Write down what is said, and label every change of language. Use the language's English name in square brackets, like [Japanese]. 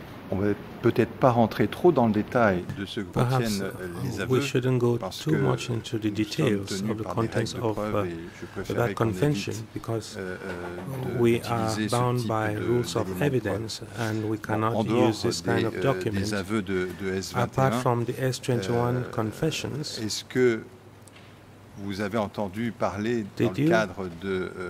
[French] On va peut-être pas rentrer trop dans le détail de ce que contiennent les aveux. [English] We shouldn't go too much into the details of the contents of that convention because we are bound by rules of evidence and we cannot use this kind of document. [French] Des aveux de S21, [English] apart from the S21 confessions, [French] est-ce que vous avez entendu parler dans le cadre de